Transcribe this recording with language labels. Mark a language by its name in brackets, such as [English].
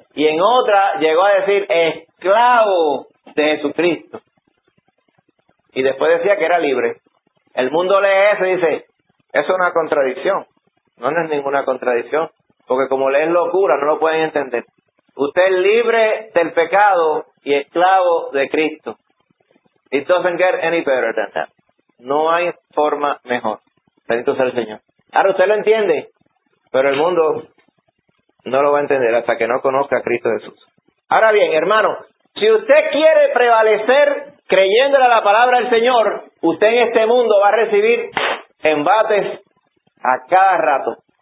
[Spanish] Y en otra llegó a decir, esclavo de Jesucristo. Y después decía que era libre. El mundo lee eso y dice, eso es una contradicción. No es ninguna contradicción, porque como leen locura, no lo pueden entender. Usted es libre del pecado y esclavo de Cristo. [English] It doesn't get any better than that. [Spanish] No hay forma mejor. Bendito sea el Señor. Ahora usted lo entiende, pero el mundo no lo va a entender hasta que no conozca a Cristo Jesús. Ahora bien, hermano, si usted quiere prevalecer creyéndole a la palabra del Señor, usted en este mundo va a recibir embates a cada rato.